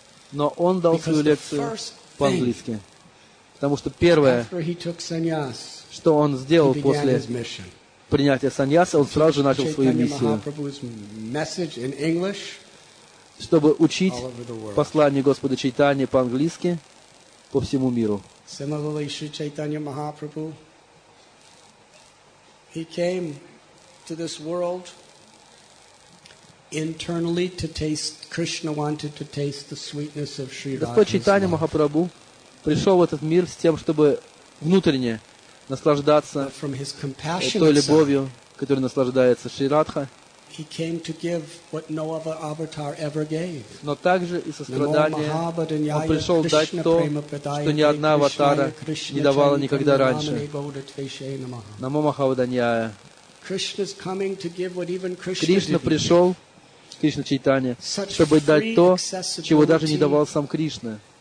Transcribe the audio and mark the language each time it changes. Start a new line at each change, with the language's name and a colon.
Russian: Но он дал свою лекцию по-английски. Потому что первое, что он сделал после принятия саньяса, он сразу же начал свою миссию, чтобы учить послание Господа Чайтанья по-английски по всему миру.
English: He came to this world internally to taste. Krishna wanted to taste the sweetness of Sri Radha.
Russian: Господь Чайтанья Махапрабху пришел в этот мир с тем, чтобы внутренне наслаждаться той любовью, которой наслаждается Шри Радха.
English: He came to give what no other avatar ever gave.
Russian: Но также и сострадание. Он пришел дать то, что ни одна аватара не давала никогда раньше.
Sanskrit: Намо Махавадханьяя.
English: Krishna's coming to give what even Krishna didn't.
Russian: Кришна пришел, Кришна Чайтанья, чтобы дать то, чего даже не давал сам Кришна.